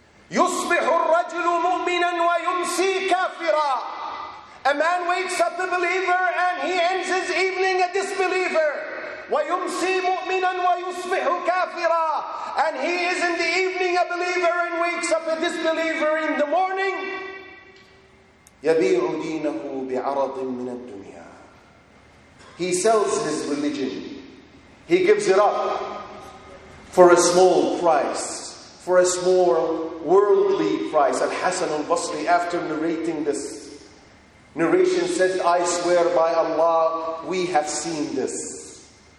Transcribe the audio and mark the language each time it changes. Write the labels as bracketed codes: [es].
[ar] يصبح الرجل مؤمنا ويمسي كافرا. [en] A man wakes up a believer and he ends his evening a disbeliever. [ar] ويمسي مؤمنا ويصبح كافرا. [en] And he is in the evening a believer and wakes up a disbeliever in the morning. [ar] يبيع دينه بعرض من الدنيا. [en] He sells his religion. He gives it up for a small price, for a small worldly price. Al-Hasan al-Basri, after narrating this narration, says, I swear by Allah, we have seen this.